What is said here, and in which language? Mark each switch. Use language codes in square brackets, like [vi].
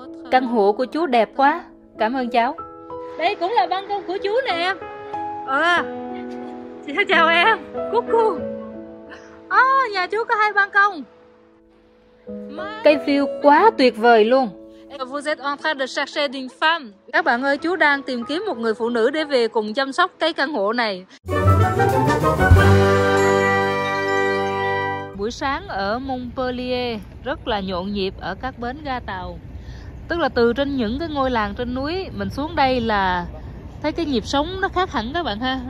[vi] Căn hộ của chú đẹp quá. Cảm ơn cháu. Đây cũng là ban công của chú nè. Chào em. Cúc cu. Nhà chú có hai ban công. Cái view quá tuyệt vời luôn. [fr] Vous êtes en train de chercher une femme. [vi] Các bạn ơi, chú đang tìm kiếm một người phụ nữ để về cùng chăm sóc cái căn hộ này. Buổi sáng ở Montpellier rất là nhộn nhịp ở các bến ga tàu. Tức là từ trên những cái ngôi làng trên núi mình xuống đây là thấy cái nhịp sống nó khác hẳn các bạn ha.